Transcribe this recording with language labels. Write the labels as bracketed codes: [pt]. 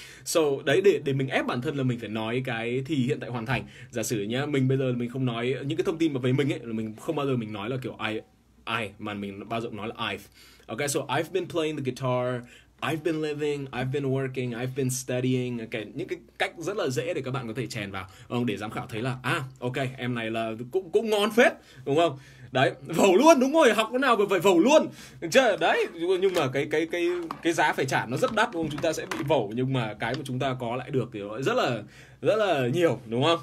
[vi] So đấy, để mình ép bản thân là mình phải nói cái thì hiện tại hoàn thành. Giả sử nhá, mình bây giờ mình không nói những cái thông tin mà về mình ấy, là mình không bao giờ mình nói là kiểu I mà mình bao giờ nói là I've. [en] Ok, so I've been playing the guitar, I've been living, I've been working, I've been studying. [vi] Ok, những cái cách rất là dễ để các bạn có thể chèn vào, để giám khảo thấy là ok, em này là cũng ngon phết, đúng không? Đấy, vẩu luôn, đúng rồi, học cái nào mà phải vẩu luôn. Được chưa? Đấy, nhưng mà cái giá phải trả nó rất đắt, đúng không? Chúng ta sẽ bị vẩu, nhưng mà cái mà chúng ta có lại được thì rất là nhiều, đúng không?